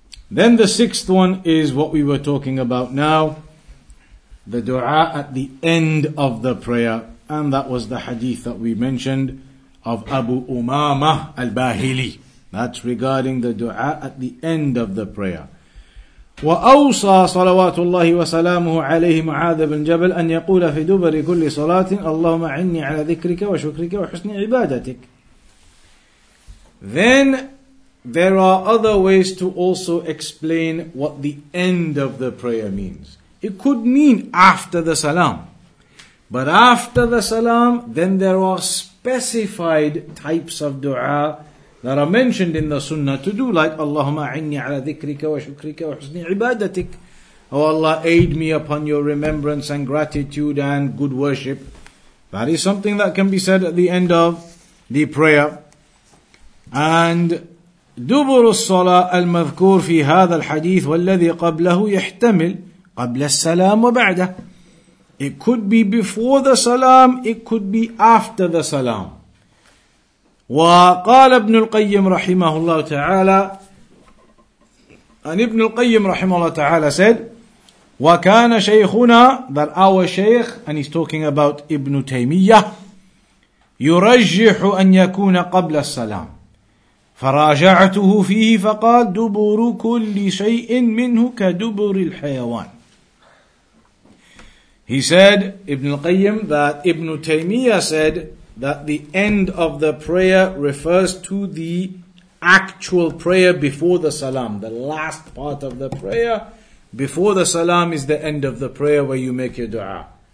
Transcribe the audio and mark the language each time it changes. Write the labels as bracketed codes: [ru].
[en] Then the sixth one is what we were talking about now, the dua at the end of the prayer, and that was the hadith that we mentioned of Abu Umama al-Bahili. That's regarding the dua at the end of the prayer. [ar] وأوصى صلوات الله وسلامه عليه معاذ بن جبل أن يقول في دبر كل صلاة اللهم أعني على ذكرك وشكرك وحسن عبادتك. [en] Then there are other ways to also explain what the end of the prayer means. It could mean after the salam. But after the salam, then there are specified types of dua that are mentioned in the sunnah to do, like [ar] Allahumma inni ala dhikrika wa shukrika wa husni ibadatik. [en] Oh Allah, aid me upon your remembrance and gratitude and good worship. That is something that can be said at the end of the prayer. [ar] And دبر الصلاة المذكور في هذا الحديث والذي قبله يحتمل قَبْلَ السَّلَامُ وَبَعْدَهُ. [en] It could be before the salam, it could be after the salam. [ar] وَقَالَ ابْنُ الْقَيِّمْ رَحِمَهُ اللَّهُ تَعَالَى. And ابن القيم رحمه الله تعالى [en] said, [ar] وَكَانَ شَيْخُنَا, [en] that our shaykh, and he's talking about [ar] ابن تيمية, يُرَجِّحُ أَنْ يَكُونَ قَبْلَ السَّلَامُ. فراجعته فيه فقال دبر كل شيء منه كدبر الحيوان. [en] He said, Ibn al-Qayyim, that Ibn Taymiyyah said that the end of the prayer refers to the actual prayer before the salam. The last part of the prayer before the salam is the end of the prayer where you make your dua.